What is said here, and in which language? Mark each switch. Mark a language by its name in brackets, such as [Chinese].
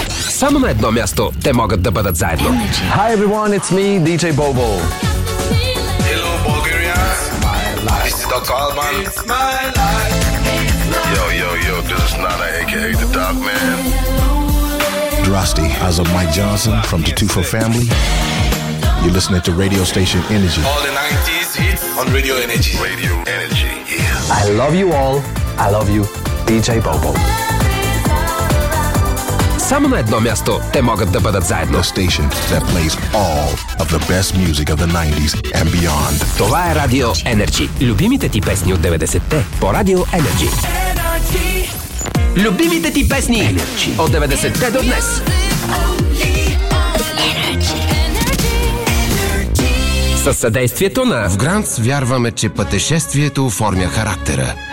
[Bulgarian] само на едно място те могат да бъдат заедно. [English] Hi everyone, it's me, DJ Bobo. Hello Bulgaria. This is Dr. Alban. It's my life. Yo, yo, yo, this is Nana, aka the Dark Man. Drosty, as of Mike Johnson from the 2-4 family. You're listening to radio station Energy. All the 90s hit on Radio Energy. Radio Energy. Yeah. I love you all. I love you, DJ Bobo. [Bulgarian] Само на едно място те могат да бъдат заедно. [English] The station that plays all of the best music of the 90s and beyond. [Bulgarian] Това е Радио Енерджи. Любимите ти песни от 90-те по Радио Енерджи. Любимите ти песни от 90-те до днес. Със съдействието на... В Гранц вярваме, че пътешествието оформя характера.